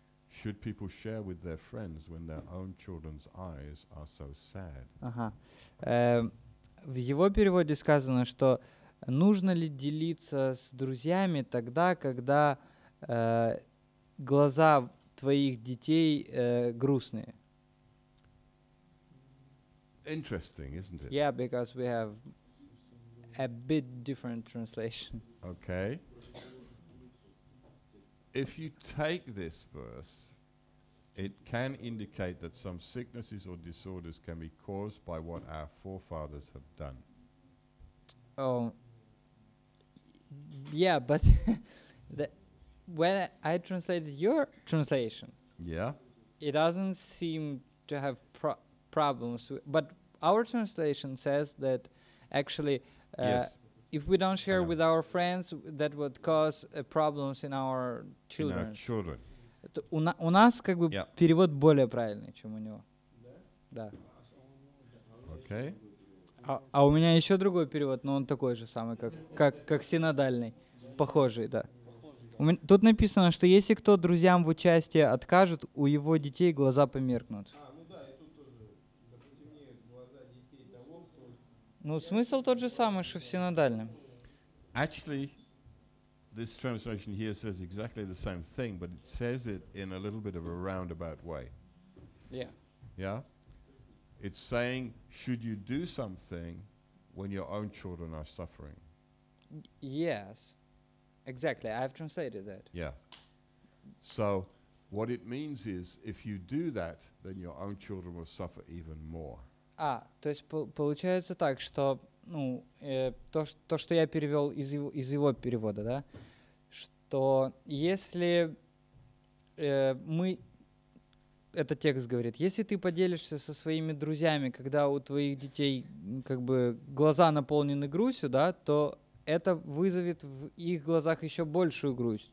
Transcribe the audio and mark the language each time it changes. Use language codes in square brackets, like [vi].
[en] Should people share with their friends when their own children's eyes are so sad? [ru] В его переводе сказано, что нужно ли делиться с друзьями тогда, когда глаза твоих детей грустные? [en] Interesting, isn't it? Yeah, because we have a bit different translation. Okay. If you take this verse, it can indicate that some sicknesses or disorders can be caused by what our forefathers have done. Oh, yeah, but when I translated your translation, yeah, it doesn't seem to have problems. But our translation says that actually, yes, if we don't share with our friends, that would cause problems in our children. In our children. [ru] У нас как бы перевод более правильный, чем у него. Да. Окей. А у меня еще другой перевод, но он такой же самый, как синодальный. Похожий, да. Тут написано, что если кто друзьям в участии откажет, у его детей глаза померкнут. А, ну да, и тут тоже потемнеют глаза детей того, что... Ну, смысл тот же самый, что в синодальном. [en] Actually, this translation here says exactly the same thing, but it says it in a little bit of a roundabout way. Yeah. Yeah? It's saying, should you do something when your own children are suffering? Yes. Exactly. I've translated that. Yeah. So what it means is, if you do that, then your own children will suffer even more. [ru] А, то есть получается так, что, ну, то, что я перевел из его перевода, да? То если мы, этот текст говорит, если ты поделишься со своими друзьями, когда у твоих детей как бы глаза наполнены грустью, да, то это вызовет в их глазах еще большую грусть.